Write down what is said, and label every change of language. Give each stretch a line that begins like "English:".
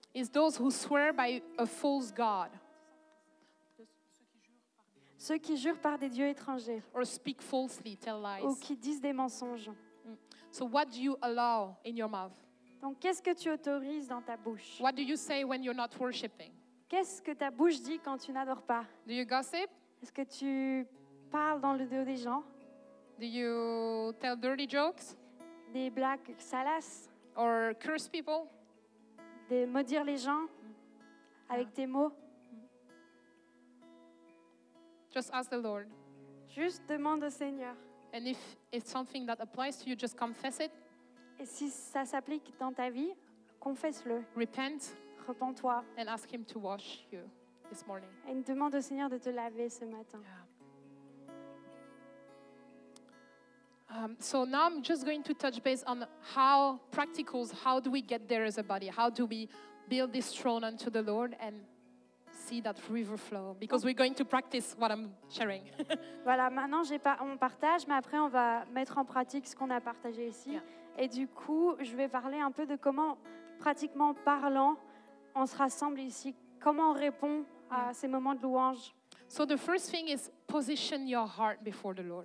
English: Is those who swear by a false god.
French: Ceux qui jurent par des dieux étrangers.
English: Or speak falsely, tell lies.
French: Ou qui disent des mensonges.
English: So what do you allow in your mouth?
French: Donc qu'est-ce que tu autorises dans ta bouche?
English: What do you say when you're not worshiping?
French: Qu'est-ce que ta bouche dit quand tu n'adores pas?
English: Do you gossip?
French: Est-ce que tu parles dans le dos des gens?
English: Do you tell dirty jokes?
French: Des blagues salaces?
English: Or curse people?
French: De maudire les gens avec tes mots?
English: Just ask the Lord.
French: Juste demande au Seigneur.
English: And if it's something that applies to you, just confess it.
French: Et si ça s'applique dans ta vie, confesse-le.
English: Repent.
French: Repens-toi.
English: And ask him to wash you this morning.
French: Et demande au Seigneur de te laver ce matin.
English: Yeah. So now I'm just going to touch base on how practicals, how do we get there as a body? How do we build this throne unto the Lord and see that river flow because we're going to practice what I'm sharing.
French: Voilà, maintenant j'ai pas on partage mais après on va mettre en pratique ce qu'on a partagé ici.
English: Yeah.
French: Et du coup, je vais parler un peu de comment pratiquement parlant on se rassemble ici, comment on répond à ces moments de louange.
English: So the first thing is position your heart before the Lord.